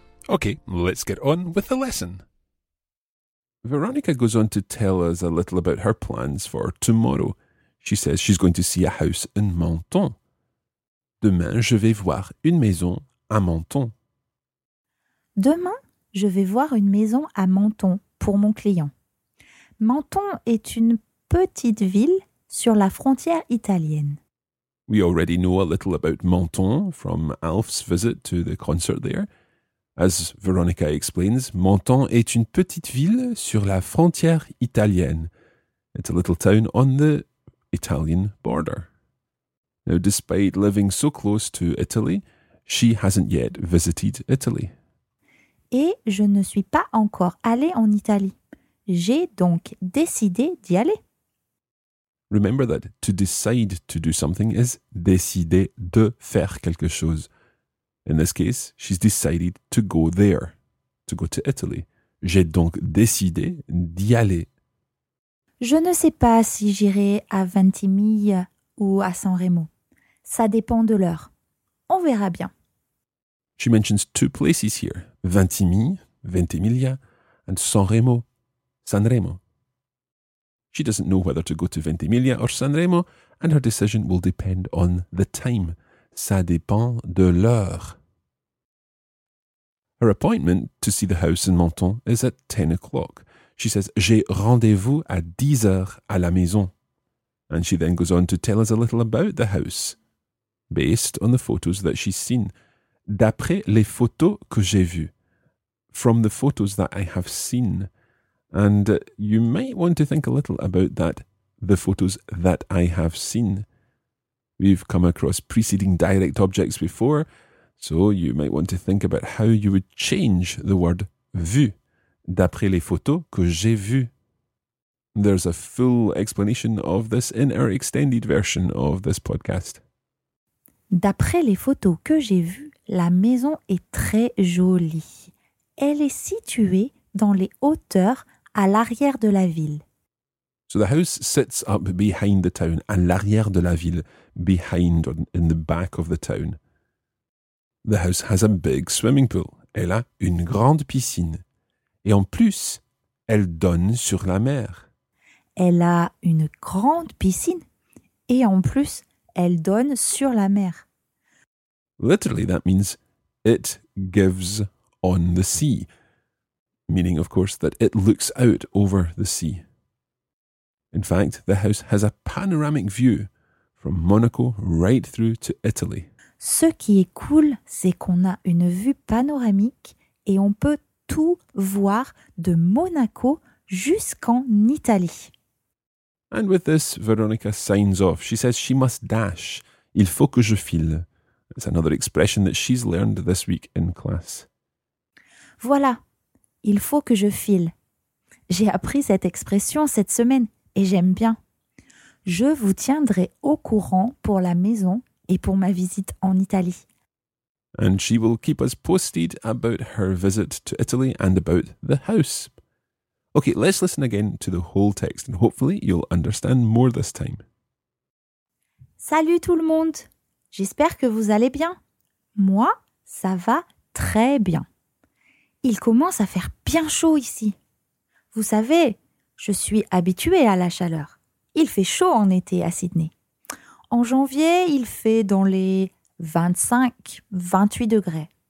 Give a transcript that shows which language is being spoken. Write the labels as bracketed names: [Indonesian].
[English] Okay, let's get on with the lesson. Veronica goes on to tell us a little about her plans for tomorrow. She says she's going to see a house in Menton. [French] Demain, je vais voir une maison à Menton. Demain, je vais voir une maison à Menton pour mon client. Menton est une petite ville sur la frontière italienne. [English] We already know a little about Menton from Alf's visit to the concert there. As Veronica explains, [French] Menton est une petite ville sur la frontière italienne. [English] It's a little town on the Italian border. Now, despite living so close to Italy, she hasn't yet visited Italy. [French] Et je ne suis pas encore allée en Italie. J'ai donc décidé d'y aller. [English] Remember that to decide to do something is [French] décider de faire quelque chose. [English] In this case, she's decided to go there, to go to Italy. [French] J'ai donc décidé d'y aller. Je ne sais pas si j'irai à Ventimiglia ou à San Remo. Ça dépend de l'heure. On verra bien. [English] She mentions two places here. Ventimiglia and San Remo. She doesn't know whether to go to Ventimiglia or San Remo, and her decision will depend on the time. [French] Ça dépend de l'heure. [English] Her appointment to see the house in Menton is at 10 o'clock. She says, [French] j'ai rendez-vous à 10 heures à la maison. [English] And she then goes on to tell us a little about the house, based on the photos that she's seen. [French] D'après les photos que j'ai vues. [English] From the photos that I have seen. And you might want to think a little about that, the photos that I have seen. We've come across preceding direct objects before, so you might want to think about how you would change the word vu, [French] d'après les photos que j'ai vues. [English] There's a full explanation of this in our extended version of this podcast. [French] D'après les photos que j'ai vues, la maison est très jolie. Elle est située dans les hauteurs à l'arrière de la ville. [English] So the house sits up behind the town, [French] à l'arrière de la ville, [English] behind or in the back of the town. The house has a big swimming pool. [French] Elle a une grande piscine. Et en plus, elle donne sur la mer. Elle a une grande piscine. Et en plus, elle donne sur la mer. [English] Literally, that means it gives on the sea. Meaning, of course, that it looks out over the sea. In fact, the house has a panoramic view from Monaco right through to Italy. [French] Ce qui est cool, c'est qu'on a une vue panoramique et on peut tout voir de Monaco jusqu'en Italie. [English] And with this, Veronica signs off. She says she must dash. [French] Il faut que je file. [English] It's another expression that she's learned this week in class. [French] Voilà. Il faut que je file. J'ai appris cette expression cette semaine et j'aime bien. Je vous tiendrai au courant pour la maison et pour ma visite en Italie. [English] And she will keep us posted about her visit to Italy and about the house. Okay, let's listen again to the whole text and hopefully you'll understand more this time. [French] Salut tout le monde. J'espère que vous allez bien. Moi, ça va très bien. Il commence à faire bien chaud ici. Vous savez, je suis habituée à la chaleur. Il fait chaud en été à Sydney. En janvier, il fait dans les 25-28 degrés.